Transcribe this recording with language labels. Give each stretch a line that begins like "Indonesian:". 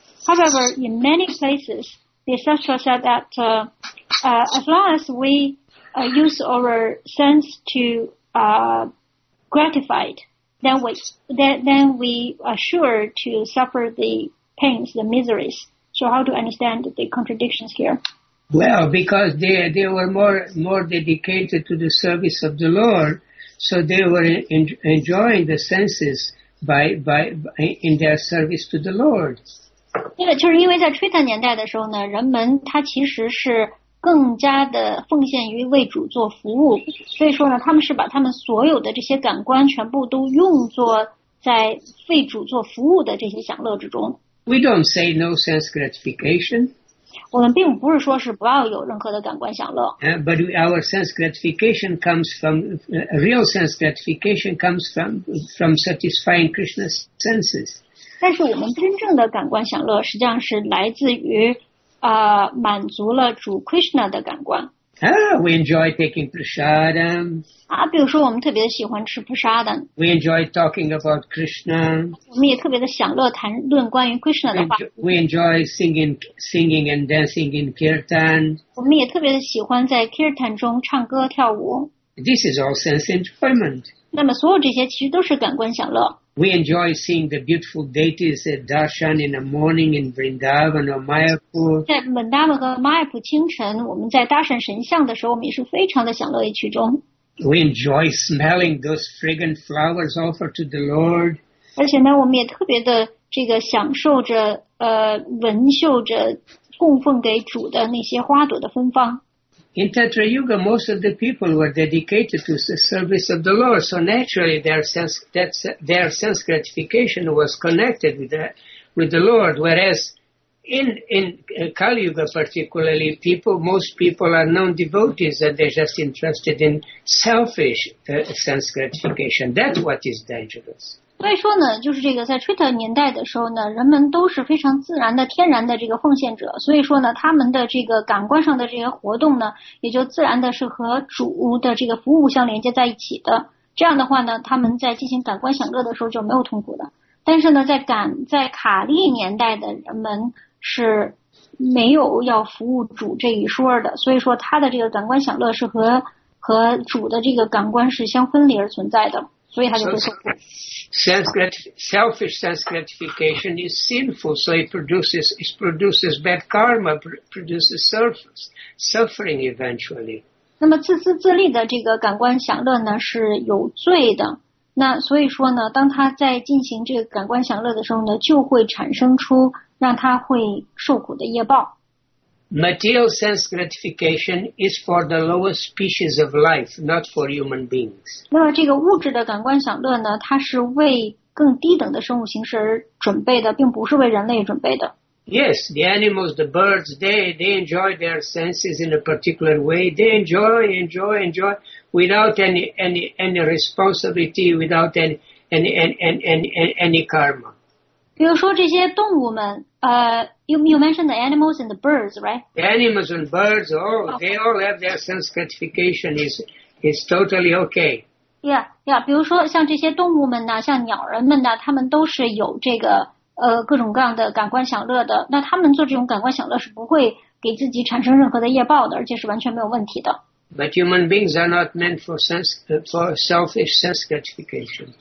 English: However, in many places, the sutra said that as long as we use our sense to gratify it, then we are sure to suffer the pains, the miseries. So how to understand the contradictions here? Well, because they were more dedicated to the service of the Lord, so they were enjoying the senses by in their service to the Lord.
Chinese: 对了，就是因为在 Treta 年代的时候呢，人们他其实是更加的奉献于为主做服务，所以说呢，他们是把他们所有的这些感官全部都用作在为主做服务的这些享乐之中。
English: We don't say no sense gratification.
Chinese: 我们并不是说是不要有任何的感官享乐。
English: But our sense gratification comes from, real sense gratification comes from satisfying Krishna's senses.
Chinese: 但是我们真正的感官享乐实际上是来自于满足了主 Krishna 的感官。
English: We enjoy taking prasadam.
Chinese: 比如说我们特别喜欢吃 prasadam.
English: We enjoy talking about Krishna.
Chinese: 我们也特别的享乐谈论关于 Krishna 的话。
English: We enjoy singing and dancing in kirtan.
Chinese: 我们也特别的喜欢在 kirtan 中唱歌跳舞。
English: This is all sense enjoyment.
Chinese: 那么所有这些其实都是感官享乐。
English: We enjoy seeing the beautiful deities at darshan in the morning in Vrindavan or Mayapur.
Chinese: 在 Vrindavan 和 Mayapur 清晨，我们在 darshan 神像的时候，我们也是非常的享乐于其中。
English: We enjoy smelling those fragrant flowers offered to the Lord.
Chinese: 而且呢，我们也特别的这个享受着闻嗅着供奉给主的那些花朵的芬芳。
English: In Tantra Yuga, most of the people were dedicated to the service of the Lord, so naturally their sense gratification was connected with the Lord, whereas in Kali Yuga particularly, most people are non-devotees and they're just interested in selfish sense gratification. That's what is dangerous.
Chinese: 所以说呢，就是这个在 Treta 年代的时候呢，人们都是非常自然的、天然的这个奉献者，所以说呢，他们的这个感官上的这些活动呢，也就自然的是和主的这个服务相连接在一起的。这样的话呢，他们在进行感官享乐的时候就没有痛苦的。但是呢，在卡利年代的人们是没有要服务主这一说的，所以说他的这个感官享乐是和主的这个感官是相分离而存在的。所以他就会痛苦。
English: Sanskrit, selfish sense gratification is sinful, so it produces bad karma, produces suffering eventually.
Chinese: 那么自私自利的这个感官享乐呢是有罪的。那所以说呢，当他在进行这个感官享乐的时候呢，就会产生出让他会受苦的业报。
English: Material sense gratification is for the lower species of life, not for human beings.
Chinese: 那么这个物质的感官享乐呢，它是为更低等的生物形式而准备的，并不是为人类准备的。
English: Yes, the animals, the birds, they enjoy their senses in a particular way. They enjoy without any responsibility, without any karma.
Chinese: 比如说这些动物们
English: you mentioned the animals and the birds, right? The animals and birds, they all have their sense gratification is totally okay. Yeah, yeah.
Chinese: 比如说像这些动物们呢，像鸟人们呢，他们都是有这个各种各样的感官享乐的。那他们做这种感官享乐是不会给自己产生任何的业报的，而且是完全没有问题的。
English: But human beings are not meant for selfish sense gratification.